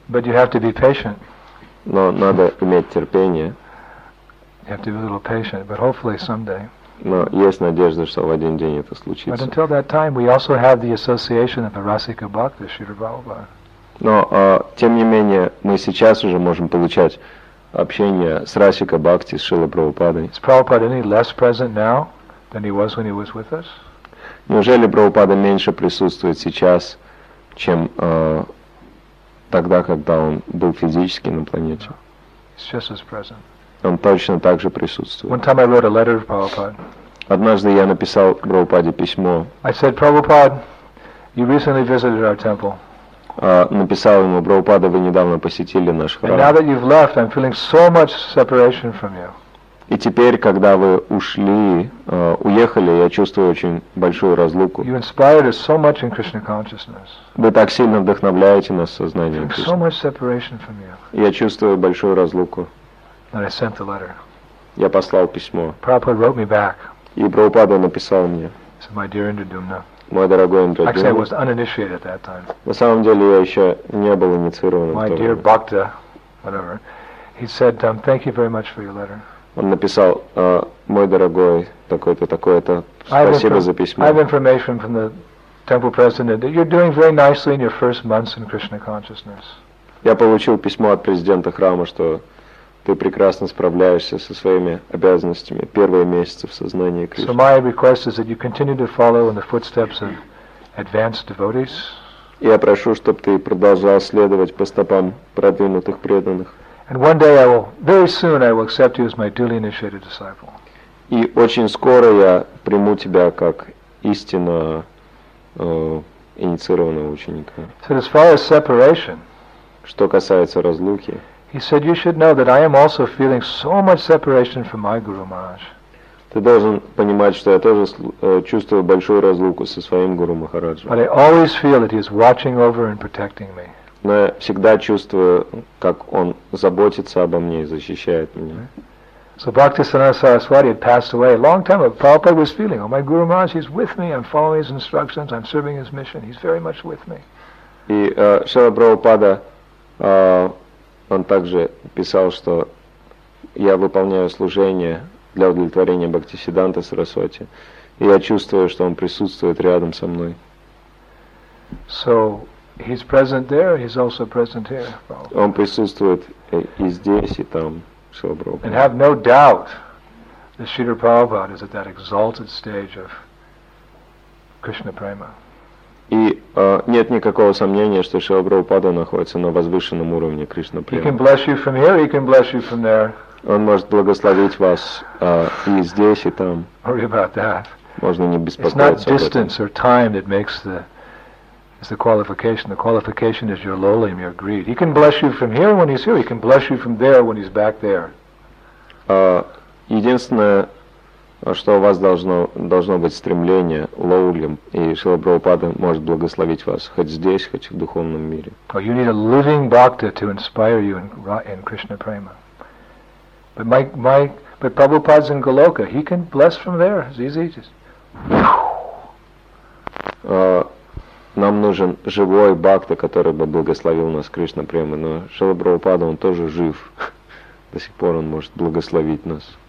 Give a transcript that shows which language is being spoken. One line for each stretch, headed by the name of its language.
English: But you have to be patient.
Russian: Но надо иметь терпение.
English: You have to be a little patient, but hopefully someday.
Russian: Но есть надежда, что в один день это случится.
English: But until that time, we also have the association of the Rasika Bhakta, Shrila Prabhupada.
Russian: Но, тем не менее, мы сейчас уже можем получать общение с Расика Бхакти, с Шрилой Прабхупадой.
English: Is Prabhupada any less present now than he was when he was with us?
Russian: Неужели Прабхупада меньше присутствует сейчас, чем тогда, когда он был физически на планете?
English: He's just as present.
Russian: Он точно так же присутствует.
English: One time I wrote a letter to Prabhupada.
Russian: Однажды я написал Прабхупаде письмо.
English: I said, Prabhupada, you recently visited our temple.
Russian: Написал ему, Прабхупада, вы недавно посетили наш храм.
English: And now that you've left, I'm feeling so much separation from you.
Russian: И теперь, когда вы ушли, уехали, я чувствую очень большую разлуку.
English: You inspired us so much in Krishna consciousness.
Russian: Вы так сильно вдохновляете нас сознанием Кришны.
English: So much separation from you.
Russian: Я чувствую большую разлуку.
English: And I sent the letter.
Russian: Я послал письмо.
English: Prabhupada wrote me back.
Russian: И Прабхупада написал мне.
English: So, my dear Indradumna.
Russian: Мой дорогой Индрадумна.
English: Actually, I was uninitiated at that time.
Russian: На самом деле я еще не был инициирован.
English: My dear Bhakta, whatever. He said, thank you very much for your letter.
Russian: Он написал, мой дорогой, такой-то, такой-то, спасибо за письмо.
English: I have information from the temple president that you're doing very nicely in your first months in Krishna consciousness.
Russian: Я получил письмо от президента храма, что ты прекрасно справляешься со своими обязанностями первые месяцы в сознании Кришны.
English: So my request is that you continue to follow in the footsteps of advanced devotees.
Russian: Я прошу, чтобы ты продолжал следовать по стопам продвинутых преданных.
English: And one day I will, very soon I will accept you as my duly initiated disciple.
Russian: И очень скоро я приму тебя как истинно инициированного ученика.
English: So as far as separation,
Russian: что касается разлуки,
English: he said, you should know that I am also feeling so much separation from my Guru Maharaj.
Russian: Ты должен понимать, что я тоже чувствую большую разлуку со своим Гуру Махараджем.
English: But I always feel that he is watching over and protecting me.
Russian: Но я всегда чувствую, как он заботится обо мне и защищает меня.
English: So Bhaktisiddhanta Saraswati had passed away a long time ago. Prabhupada was feeling, oh, my Guru Maharaj, he's with me, I'm following his instructions, I'm serving his mission, he's very much with me.
Russian: И Шрила Прабхупада, он также писал, что я выполняю служение для удовлетворения Бхактисиддханты Сарасвати, и я чувствую, что он присутствует рядом со мной.
English: So, he's present there, he's also present here, Prabhupada.
Russian: Он присутствует и здесь, и там, Шрила Прабхупада.
English: And have no doubt that Śrīla Prabhupāda is at that exalted stage of Krishna Prema.
Russian: И нет никакого сомнения, что Шрила Прабхупада находится на возвышенном уровне Кришна Према.
English: He can bless you from here, he can bless you from there.
Russian: Он может благословить вас и здесь, и там.
English: Worry about that.
Russian: Можно не беспокоиться об этом.
English: It's not distance or time that makes the qualification. The qualification is your lowliness, your greed. He can bless you from here when he's here. He can bless you from there when he's back there.
Russian: Единственное, что у вас должно быть стремление, лоулим, и Шрила Прабхупада может благословить вас хоть здесь, хоть в духовном мире.
English: Oh, you need a living bhakta to inspire you in Krishna Prema. But but Prabhupada's in Goloka, he can bless from there. It's easy. Just...
Russian: Нам нужен живой бхакта, который бы благословил нас Кришна Према. Но Шрила Прабхупада, он тоже жив. До сих пор он может благословить нас.